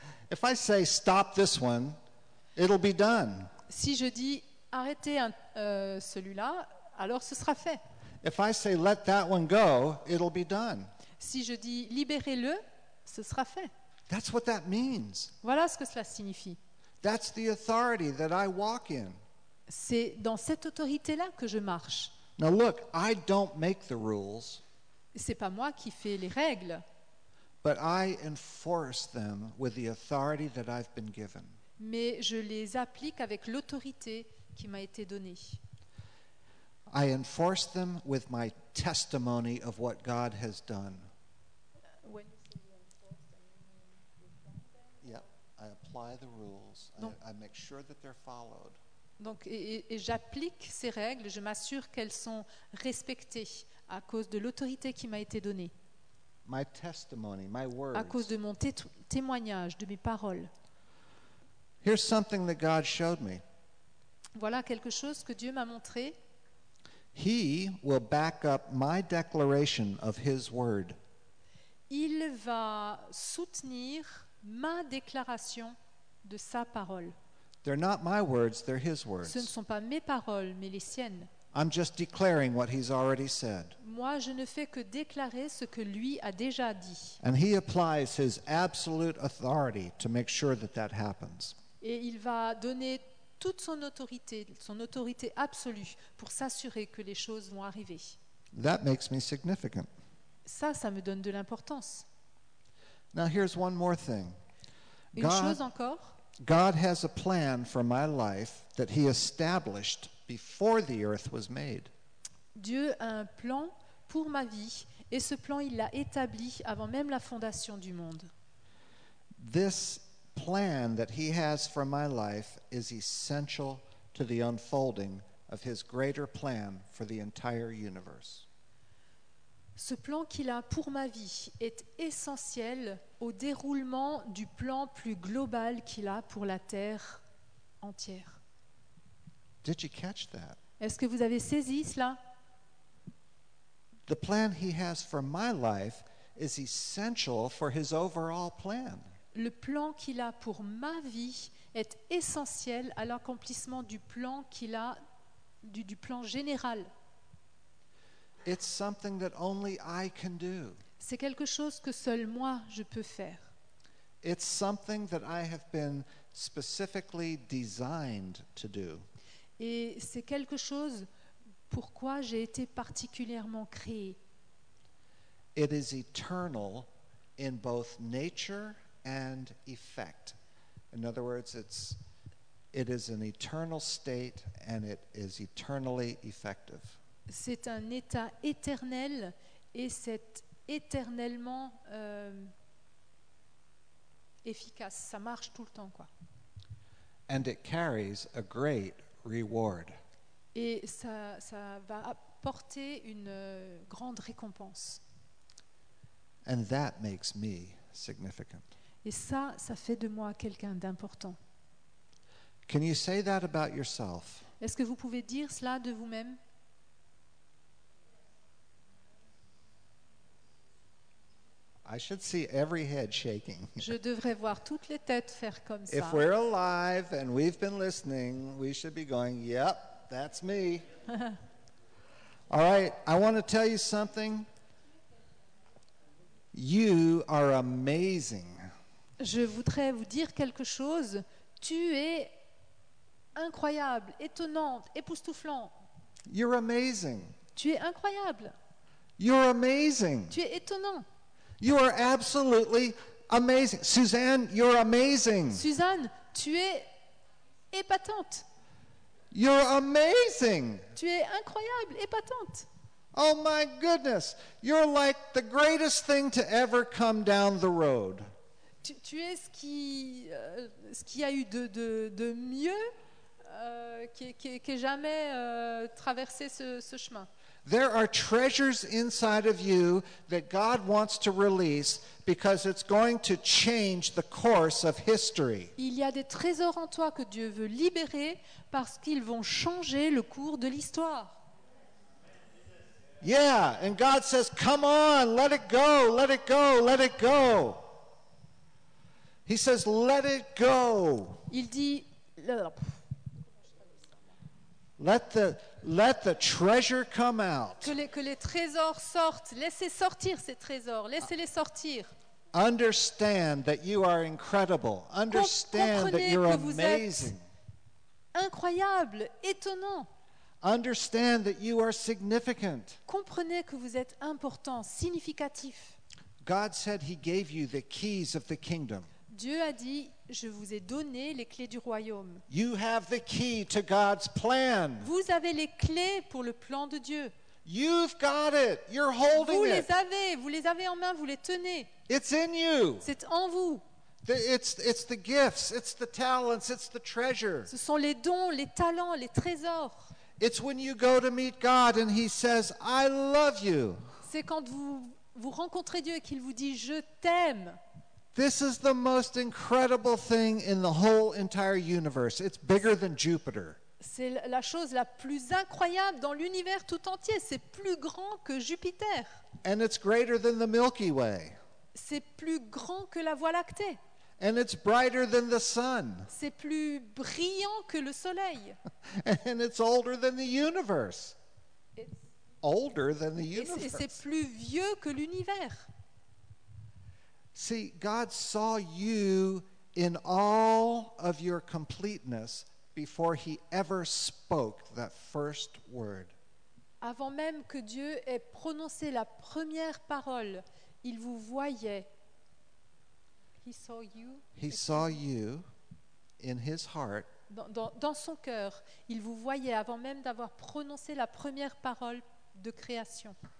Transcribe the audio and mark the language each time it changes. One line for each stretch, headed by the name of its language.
English: If I say stop this one, it'll be done.
French: Si je dis arrêtez celui-là, alors ce sera fait.
English: If I say let that one go, it'll be done.
French: Si je dis libérez-le, ce sera fait.
English: That's what that means.
French: Voilà ce que cela signifie.
English: That's the authority that I walk in.
French: C'est dans cette autorité-là que je marche.
English: Now look, I don't make the rules.
French: C'est pas moi qui fais les règles.
English: But I enforce them with the authority that I've been given.
French: Mais je les applique avec l'autorité qui m'a été donnée.
English: I enforce them with my testimony of what God has done. When you say you enforce them, I apply the rules. I make sure that they're followed.
French: Donc, et j'applique ces règles, je m'assure qu'elles sont respectées à cause de l'autorité qui m'a été donnée.
English: My testimony, my words.
French: À cause de mon témoignage, de mes paroles.
English: Here's something that God showed me.
French: Voilà quelque chose que Dieu m'a montré.
English: He will back up my declaration of his word.
French: Il va soutenir ma déclaration de sa parole.
English: They're not my words, they're his words.
French: Ce ne sont pas mes paroles, mais les siennes.
English: I'm just declaring what he's already said.
French: Moi, je ne fais que déclarer ce que lui a déjà dit.
English: And he applies his absolute authority to make sure that that happens.
French: Et il va donner toute son autorité absolue, pour s'assurer que les choses vont arriver.
English: That makes me significant.
French: Ça me donne de l'importance.
English: Now here's one more thing.
French: Une chose encore.
English: God has a plan for my life that he established before the earth was made.
French: Dieu a un plan pour ma vie et ce plan il l'a établi avant même la fondation du monde.
English: This plan that he has for my life is essential to the unfolding of his greater plan for the entire universe.
French: Ce plan qu'il a pour ma vie est essentiel au déroulement du plan plus global qu'il a pour la Terre entière.
English: Did you catch that?
French: Est-ce que vous avez saisi cela?
English: The plan he has for my life is essential for his overall plan.
French: Le plan qu'il a pour ma vie est essentiel à l'accomplissement du plan qu'il a du plan général.
English: It's something that only I can do.
French: C'est quelque chose que seul moi je peux faire.
English: It's something that I have been specifically designed to do.
French: Et c'est quelque chose pour quoi j'ai été particulièrement créé.
English: It is eternal in both nature and effect. In other words, it is an eternal state and it is eternally effective.
French: C'est un état éternel et c'est éternellement efficace. Ça marche tout le temps, quoi.
English: And it carries a great reward.
French: Et ça va apporter une grande récompense.
English: And that makes me significant.
French: Et ça fait de moi quelqu'un d'important.
English: Can you say that about yourself?
French: Est-ce que vous pouvez dire cela de vous-même?
English: I should see every head shaking.
French: Je devrais voir toutes les têtes faire comme ça.
English: If we're alive and we've been listening, we should be going, yep, that's me. All right, I want to tell you something. You are amazing.
French: Je voudrais vous dire quelque chose. Tu es incroyable, étonnant, époustouflant.
English: You're amazing.
French: Tu es incroyable.
English: You're amazing.
French: Tu es étonnant.
English: You are absolutely amazing. Suzanne, you're amazing.
French: Suzanne, tu es épatante.
English: You're amazing.
French: Tu es incroyable, épatante.
English: Oh my goodness, you're like the greatest thing to ever come down the road.
French: Tu es ce qui a eu de mieux qui jamais traversé ce chemin.
English: There are treasures inside of you that God wants to release because it's going to change the course of history.
French: Il y a des trésors en toi que Dieu veut libérer parce qu'ils vont changer le cours de l'histoire.
English: Yeah, and God says, "Come on, let it go, let it go, let it go." He says, "Let it go."
French: Il dit,
English: Let the treasure come out.
French: Que les trésors sortent. Laissez sortir ces trésors. Laissez-les sortir.
English: Understand that you are incredible. Understand that you're amazing.
French: Incroyable, étonnant.
English: Understand that you are significant.
French: Comprenez que vous êtes important, significatif.
English: God said he gave you the keys of the kingdom.
French: Dieu a dit, je vous ai donné les clés du royaume.
English: You have the key to God's plan.
French: Vous avez les clés pour le plan de Dieu.
English: You've got it. You're holding
French: vous les avez, vous les avez en main, vous les tenez.
English: It's in you.
French: C'est en vous.
English: It's the gifts, it's the talents, it's the treasure.
French: Ce sont les dons, les talents, les trésors.
English: It's when you go to meet God and he says, I love you.
French: C'est quand vous rencontrez Dieu et qu'il vous dit, je t'aime.
English: This is the most incredible thing in the whole entire universe. It's bigger than Jupiter.
French: C'est la chose la plus incroyable dans l'univers tout entier. C'est plus grand que Jupiter.
English: And it's greater than the Milky Way.
French: C'est plus grand que la Voie lactée.
English: And it's brighter than the sun.
French: C'est plus brillant que le soleil.
English: And it's older than the universe. Older than the universe.
French: Et c'est plus vieux que l'univers.
English: See, God saw you in all of your completeness before he ever spoke that first word.
French: Avant même que Dieu ait prononcé la première parole, il vous voyait.
English: He saw you. He saw you in his heart.
French: Dans son cœur, il vous voyait avant même d'avoir prononcé la première parole de création.